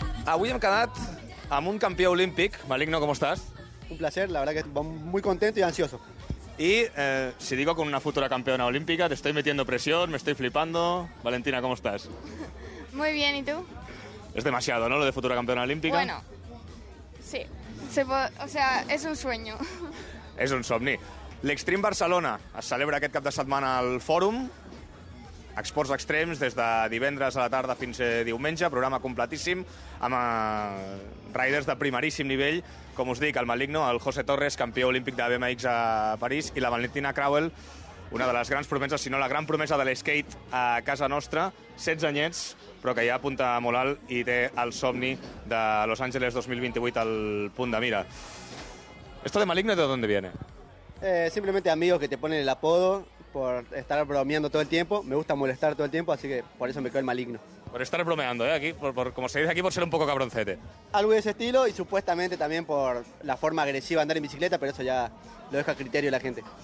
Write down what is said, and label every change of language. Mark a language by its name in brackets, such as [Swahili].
[Catalan] Avui hem quedat amb un campió olímpic. Maligno, com estàs? [Spanish] Un placer, la verdad que estoy muy contento y ansioso. Y si digo con una futura campeona olímpica, te estoy metiendo presión, me estoy flipando. Valentina, ¿cómo estás? Muy bien, ¿y tú? Es demasiado, ¿no?, lo de futura campeona olímpica. Bueno, sí. O sea, es un sueño. [Catalan] Es un somni. L'Extrem Barcelona es celebra aquest cap de setmana al Fòrum. Esports extrems des de divendres a la tarda fins a diumenge, programa completíssim amb riders de primeríssim nivell, com us dic, el Maligno, el José Torres, campió olímpic de BMX a París, i la Valentina Crowell, una de les grans promeses, si no la gran promesa de l'skate a casa nostra, 16 anyets, però que ja apunta molt alt i té el somni de Los Angeles 2028 al punt de mira. [Spanish] ¿Esto de Maligno de dónde viene? Simplemente amigos que te ponen el apodo por estar bromeando todo el tiempo. Me gusta molestar todo el tiempo, así que por eso me quedo el Maligno. Por estar bromeando, ¿eh? Aquí, por, como se dice aquí, por ser un poco cabroncete. Algo de ese estilo y supuestamente también por la forma agresiva de andar en bicicleta, pero eso ya lo deja a criterio de la gente.